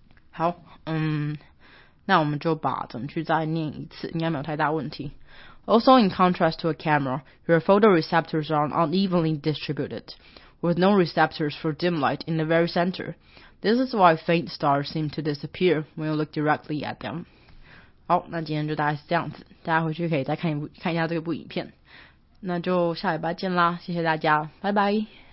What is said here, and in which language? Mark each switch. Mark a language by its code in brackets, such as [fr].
[zh] 好，那我们就把整句再念一次，应该没有太大问题。 [en] Also, in contrast to a camera, your photoreceptors are unevenly distributed, with no receptors for dim light in the very center. This is why faint stars seem to disappear when you look directly at them. [zh] 好，那今天就大概是这样子，大家回去可以再看一下这个部影片。那就下礼拜见啦，谢谢大家，拜拜。